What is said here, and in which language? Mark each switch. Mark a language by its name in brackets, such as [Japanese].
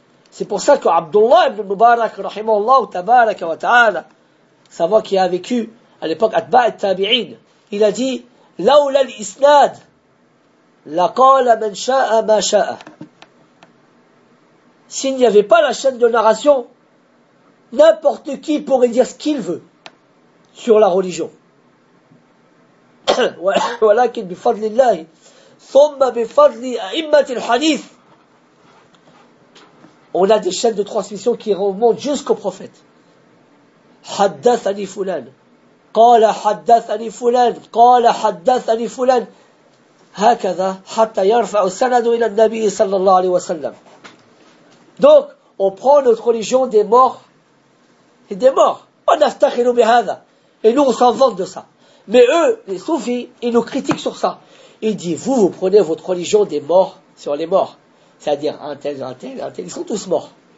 [French] C'est pour ça que Abdullah ibn Mubarak rahimahullah tabaraka wa ta'ala, savoir qui a vécu à l'époque atba' al-tabi'in, il a dit [Arabic] laoula al-isnad laqala man sha'a ma sha'a. [French] S'il n'y avait pas la chaîne de narration, n'importe qui pourrait dire ce qu'il veut sur la religion. [Arabic] ولكن بفضل الله ثم بفضل أئمة الحديث. [French] On a des chaînes de transmission qui remontent jusqu'au prophète. [Arabic] حدثني فلان قال حدثني فلان قال حدثني فلان هكذا حتى يرفع السند إلى النبي صلى الله عليه وسلم. [French] Donc on prend notre religion des morts et des morts. On a [Arabic] افتخر بهذا. [French] Et nous, on s'en vante de ça. Mais eux, les soufis, ils nous critiquent sur ça. Ils disent, vous prenez votre religion des morts sur les morts. C'est-à-dire, un tel, un tel, un tel, ils sont tous morts.